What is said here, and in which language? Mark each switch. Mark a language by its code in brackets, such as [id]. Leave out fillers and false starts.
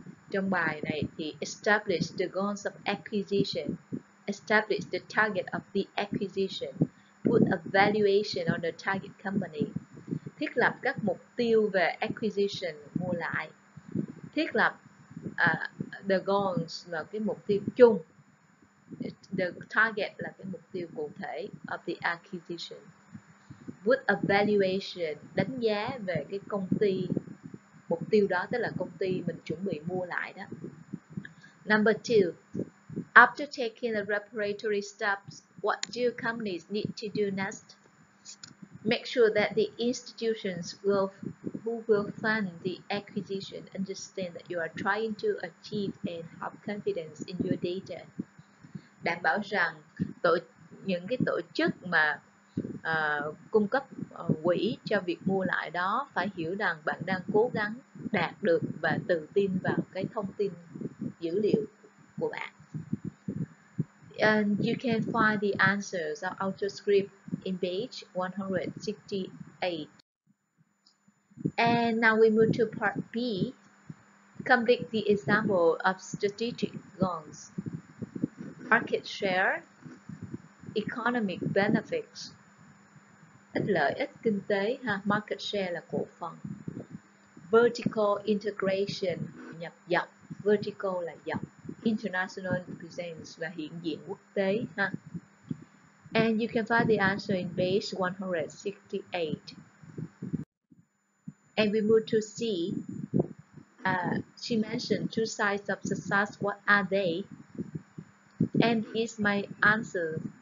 [vi] Trong bài này thì [en] establish the goals of acquisition, establish the target of the acquisition, put a valuation on the target company, [vi] thiết lập các mục tiêu về [en] acquisition, [vi] mua lại, thiết lập [en] the goals [vi] là cái mục tiêu chung, the target là cái mục tiêu cụ thể [en] of the acquisition, put a valuation, [vi] đánh giá về cái công ty mục tiêu đó, tức là công ty mình chuẩn bị mua lại đó. [en] Number two, after taking the preparatory steps, what do companies need to do next? Make sure that the institutions who will fund the acquisition understand that you are trying to achieve and have confidence in your data. [vi] Đảm bảo rằng những cái tổ chức mà cung cấp quỹ cho việc mua lại đó phải hiểu rằng bạn đang cố gắng đạt được và tự tin vào cái thông tin dữ liệu của bạn. [en] And you can find the answers of outer script in page 168. And now we move to part B. Complete the example of strategic goals. [vi] Market share, economic benefits, lợi ích kinh tế ha, market share là cổ phần, vertical integration, nhập dọc, vertical là dọc, international presence là hiện diện quốc tế ha. [en] And you can find the answer in page 168. And we move to C. She mentioned two sides of success. What are they? And here's my answer.